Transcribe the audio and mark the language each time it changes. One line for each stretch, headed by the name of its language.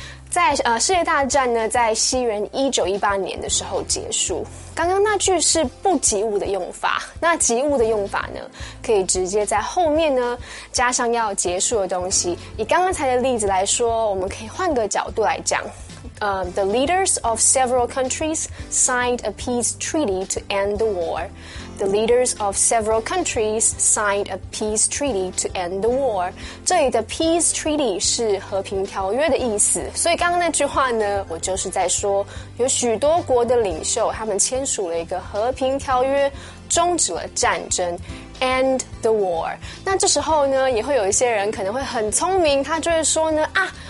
Chinese: 在世界大战呢，在西元1918年的时候结束。刚刚那句是不及物的用法，那及物的用法呢，可以直接在后面呢加上要结束的东西。以刚刚才的例子来说，我们可以换个角度来讲。
English: The leaders of several countries signed a peace treaty to end the war. The leaders of several countries signed a peace treaty to end the war.
Chinese: 这里的 peace treaty 是和平条约的意思。所以刚刚那句话呢，我就是在说，有许多国的领袖他们签署了一个和平条约，终止了战争。
English: End the war.
Chinese: 那这时候呢，也会有一些人可能会很聪明，他就会说呢啊。